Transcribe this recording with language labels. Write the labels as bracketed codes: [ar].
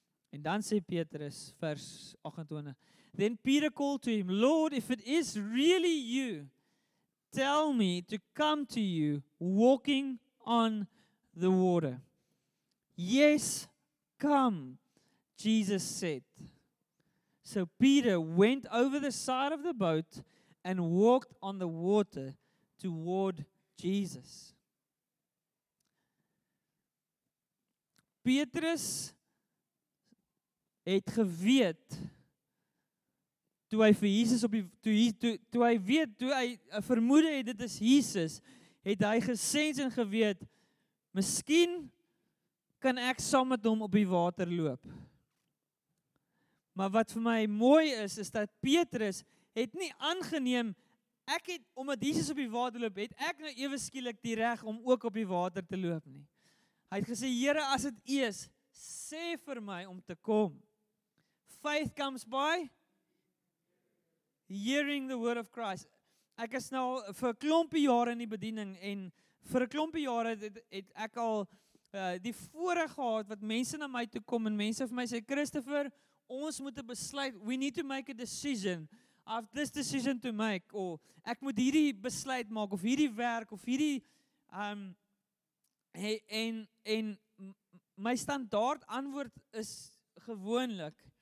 [af] En dan sê Petrus, vers 28, [en] then Peter called to him, Lord, if it is really you, tell me to come to you walking on the water. Yes, come, Jesus said. So Peter went over the side of the boat and walked on the water toward Jesus. [af] Petrus het geweet toe hy vir Jesus op die toe hy vermoede het dit is Jesus, het hy gesens en geweet miskien kan ek saam met hom op die water loop. Maar wat vir my mooi is, is dat Petrus het nie aangeneem, ek het, omdat Jesus op die water loop, het ek nou ewe skielik die reg om ook op die water te loop nie. Hy het gesê, Here, as het U is, sê vir my om te kom. [en] Faith comes by hearing the word of Christ. [af] Ek is nou vir klompie jare in die bediening en vir klompie jare het ek al die voorreg gehad wat mense na my toe kom en mense vir my sê, Christopher, ons moet 'n besluit, [en] we need to make a decision. I have this decision to make. [af] Or ek moet hierdie besluit maak of hierdie werk of hierdie en my standaard antwoord is gewoonlik.